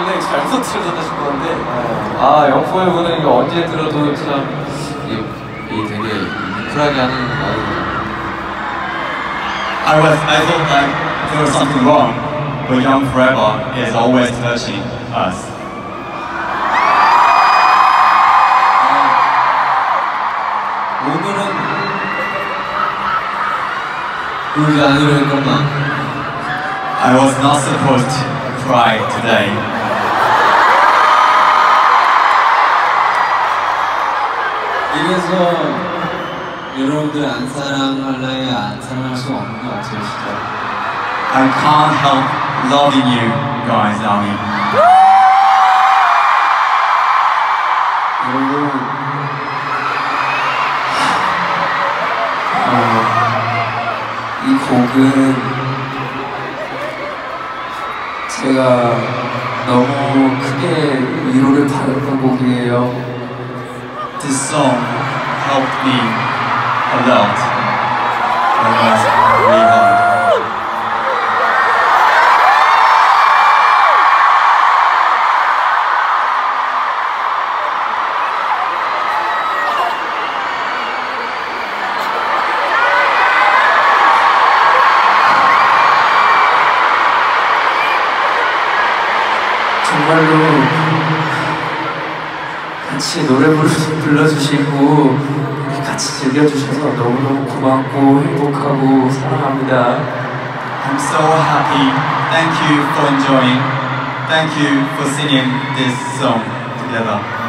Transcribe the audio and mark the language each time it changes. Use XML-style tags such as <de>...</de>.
<ko>잘못 틀어졌다 싶었는데 아 영포 형은 이거 언제 들어도 참 이게 되게 뮤클하게 하는 말이에요.</ko> <en>I thought like there was something wrong, but Young Forever is always touching us.</en> <ko>오늘은 울지 않으려 했구나.</ko> <en>I was not supposed to cry today.</en> <ko>그래서 여러분들 안 사랑할래야 안 사랑할 수 없는 것 같아요, 진짜.</ko> <en>I can't help loving you guys, Army.</en> <ko>여러분, 이 곡은 제가 너무 크게 위로를 받았던 곡이에요.</ko> <en>This song helped me a lot. It was really hard.</en> <ko>정말로 같이 노래 불러주시고 같이 즐겨주셔서 너무너무 고맙고 행복하고 사랑합니다.</ko> <en>I'm so happy. Thank you for enjoying. Thank you for singing this song together.</en>